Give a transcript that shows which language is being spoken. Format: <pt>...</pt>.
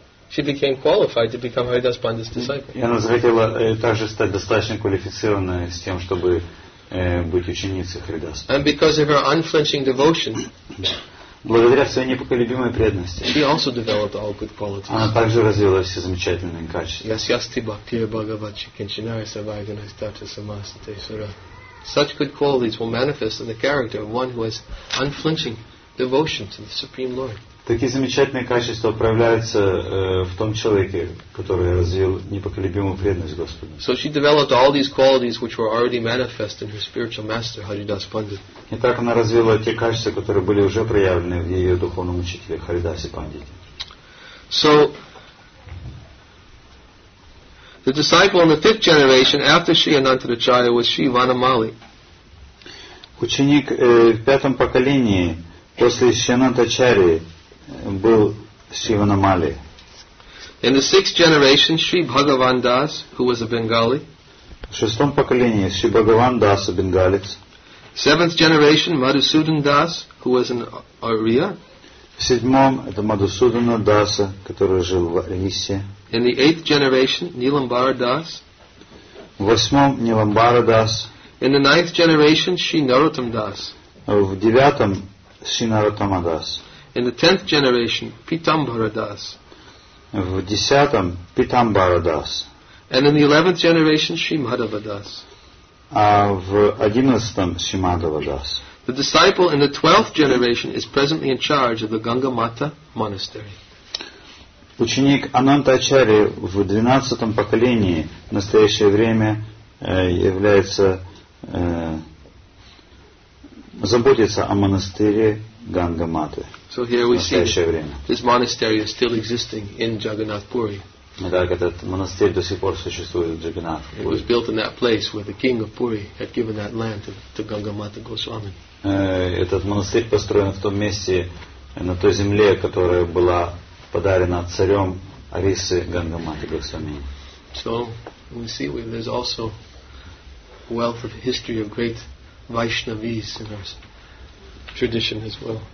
<en>She became qualified to become Haridas Pandit's disciple.</en> <ru>И она захотела также стать достаточно квалифицированной с тем, чтобы быть ученицей Харидаса.</ru> <en>And because of her unflinching devotion,</en> <ru>благодаря своей непоколебимой преданности,</ru> <en>she also developed all good qualities.</en> <ru>Она также развила все замечательные качества.</ru> <sa>Yasyasti bhaktir bhagavachi kinchinaya savaidanastata samasate sura.</sa> <en>Such good qualities will manifest in the character of one who has unflinching devotion to the Supreme Lord.</en> <ru>Такие замечательные качества проявляются в том человеке, который развил непоколебимую преданность Господу.</ru> <en>So she developed all these qualities which were already manifest in her spiritual master Haridas Pandit.</en> <ru>И так она развила те качества, которые были уже проявлены в ее духовном учителе Харидасе Пандите.</ru> <en>So the disciple in the fifth generation after Sri Anantaracharya was Sri Vanamali.</en> <ru>Ученик в пятом поколении после Шри Анантачари был Шри Ванамали.</ru> <en>In the sixth generation, Sri Bhagavan Das, who was a Bengali.</en> <ru>В шестом поколении Шри Бхагаван Дас, бенгалец.</ru> <en>Seventh generation, Madhusudan Das, who was an Arya.</en> <ru>В седьмом это Мадхусудана Даса, который жил в Арисе.</ru> <en>In the eighth generation, Nilambara Das.</en> <ru>В восьмом Nilambara Das.</ru> <en>In the ninth generation, Sri Narottam Das.</en> <ru>В девятом Sri Narottama Das.</ru> <en>In the tenth generation, Pitambara Das.</en> <ru>В десятом Pitambara Das.</ru> <en>And in the 11th generation, Sri Madhava Das.</en> <ru>А в одиннадцатом Sri Madhava Das.</ru> <en>The disciple in the 12th generation is presently in charge of the Gangamata Monastery.</en> <ru>Ученик Анантачари в 12-м поколении в настоящее время является заботится о монастыре Гангаматы.</ru> <en>So here we see</en> <ru>время.</ru> <en>This monastery is still existing in Jagannath Puri.</en> <ru>Так, этот монастырь до сих пор существует в Джагнат.</ru> <en>It was built in that place where the king of Puri had given that land to Gangamata Goswami.</en> <ru>Этот монастырь построен в том месте, на той земле, которая была подарена царем Арисы Гангаматы Госвами.</ru> <en>So we see where there's also wealth of history of great Vaishnavis in our tradition as well.</en>